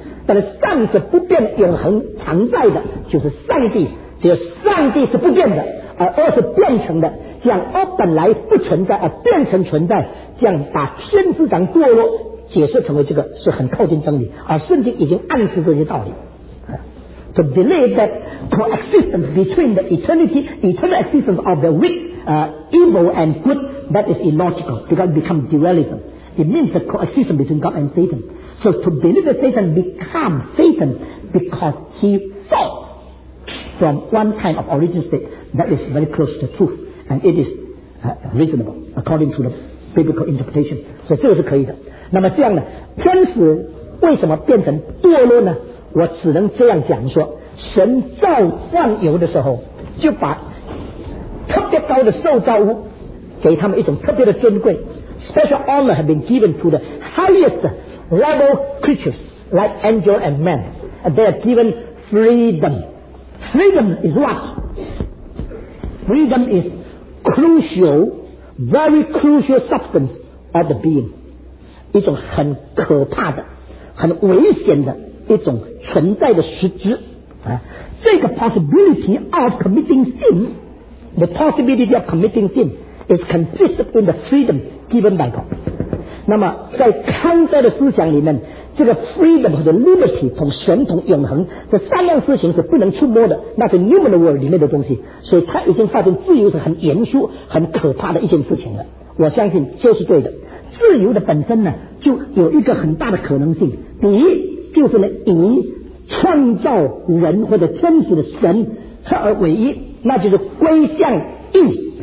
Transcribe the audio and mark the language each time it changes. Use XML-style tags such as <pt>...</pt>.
<zh>但是善是不变永恒常在的，就是上帝，只有上帝是不变的，而恶是变成的。这样恶本来不存在而变成存在，这样把天之长堕落解释成为这个是很靠近真理，而圣经已经暗示这些道理。</zh> <en>To believe that coexistence between the eternal existence of the evil and good, that is illogical because it becomes dualism. It means the coexistence between God and Satan. So to believe that Satan becomes Satan because he fell from one kind of origin state, that is very close to the truth. And it is reasonable according to the biblical interpretation.</en> <zh>So 这个是可以的。那么这样呢，天使为什么变成堕落呢？我只能这样讲说，神造万有的时候就把特别高的受造物给他们一种特别的尊贵。</zh> <en>Special honor have been given to the highest level creatures like angel and man, and they are given freedom. Freedom is what? Freedom is crucial, very crucial substance of the being,</en> <zh>一种很可怕的很危险的一种存在的实质，这个</zh> <en>possibility of committing sin, the possibility of committing sin is consisted in the freedom given by God.</en> <zh>那么在康德的思想里面，这个 freedom 和 liberty 同神同永恒这三样事情是不能触摸的，那是</zh> <en>human world</en> <zh>里面的东西，所以他已经发现自由是很严肃很可怕的一件事情了。我相信这是对的。自由的本身呢，就有一个很大的可能性，第一就是以创造人或者天使的神合而为一，那就是归向义。</zh>